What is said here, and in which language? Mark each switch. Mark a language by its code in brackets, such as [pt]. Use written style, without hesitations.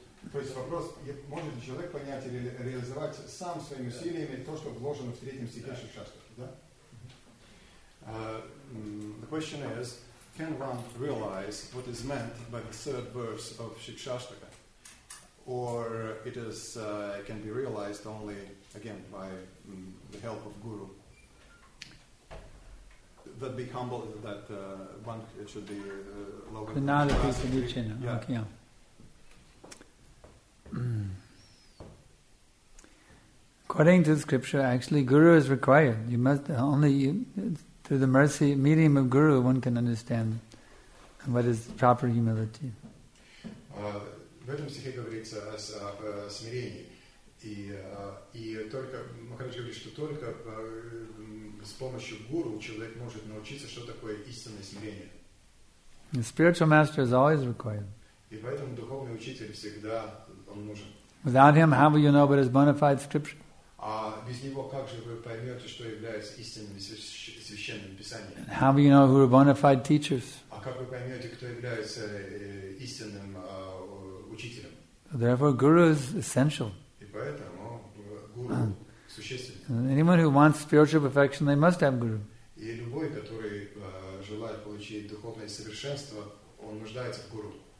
[ru] То есть вопрос, может ли человек понять или реализовать сам своими усилиями то, что вложено в третьем стихе Шишаштаки, да? [en] The question is, can one realize what is meant by the third verse of Шишаштака? Or it is can be realized only, again, by the help of Guru? That be humble, that one it should be Loganathi. The Nāda Pīsadīcena, okay, yeah. According to the scripture, actually, guru is required. You must only through the mercy medium of guru one can understand what is proper humility. [ru] В этом стихе говорится о смирении, и только Махарадж говорит, что только с помощью гуру человек может научиться, что такое истинное смирение. [en] The spiritual master is always required. [ru] И поэтому духовный учитель всегда он нужен. [en] Without him, how will you know what is bona fide scripture? [ru] А без него как же вы поймете, что является истинным священным писанием? [en] And how will you know who are bona fide teachers? [ru] А как вы поймете, кто является истинным учителем? [en] Therefore, guru is essential. [ru] И поэтому гуру существенен. [en] Anyone who wants spiritual perfection, they must have guru. [ru] И любой, который желает получить духовное совершенство, он нуждается в гуру.